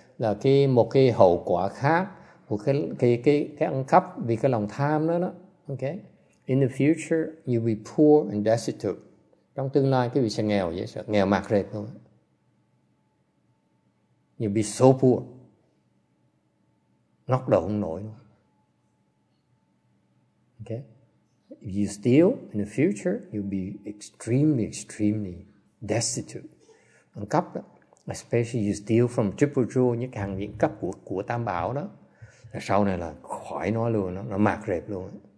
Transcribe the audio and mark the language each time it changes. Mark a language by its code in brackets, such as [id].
[vi] là cái một cái hậu quả khác của cái ăn cắp vì cái lòng tham đó. [en] Okay, in the future you'll be poor and destitute. [vi] Trong tương lai quý vị sẽ nghèo dễ sợ, nghèo mạt rệt luôn. [en] You'll be so poor, [vi] ngóc đầu không nổi luôn. [en] Okay, if you steal in the future you'll be extremely extremely destitute. [vi] Ăn cắp đó, [en] especially you steal from triple jewel, [vi] những hàng viện cấp của tam bảo đó, là sau này là khỏi nói luôn, nó mạt rệt luôn.